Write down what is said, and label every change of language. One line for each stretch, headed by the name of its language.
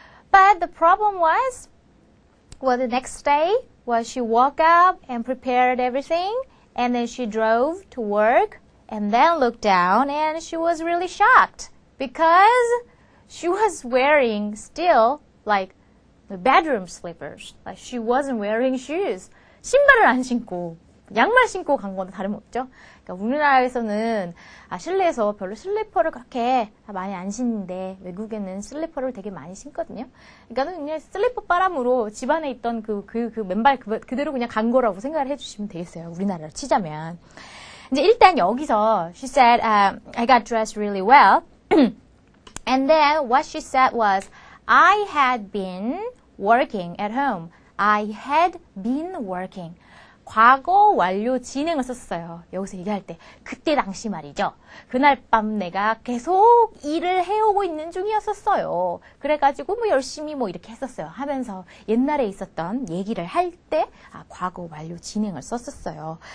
English: But the problem was, well, the next day, well, she woke up and prepared everything, and then she drove to work and then looked down, and she was really shocked because she was wearing still like the bedroom slippers. Like she wasn't wearing shoes.
Korean: 신발을 안 신고 양말 신고 간 거는 다름없죠. 그러니까 우리나라에서는 실내에서 별로 슬리퍼를 그렇게 많이 안 신는데 외국에는 슬리퍼를 되게 많이 신거든요. 그러니까는 그냥 슬리퍼 바람으로 집안에 있던 그 맨발 그대로 그냥 간 거라고 생각을 해주시면 되겠어요. 우리나라로 치자면. 이제 일단 여기서
English: she said I got dressed really well. And then what she said was, I had been working at home. I had been working.
Korean: 과거 완료 진행을 썼어요. 여기서 얘기할 때. 그때 당시 말이죠. 그날 밤 내가 계속 일을 해오고 있는 중이었었어요. 그래가지고 뭐 열심히 뭐 이렇게 했었어요. 하면서 옛날에 있었던 얘기를 할 때, 아, 과거 완료 진행을 썼었어요.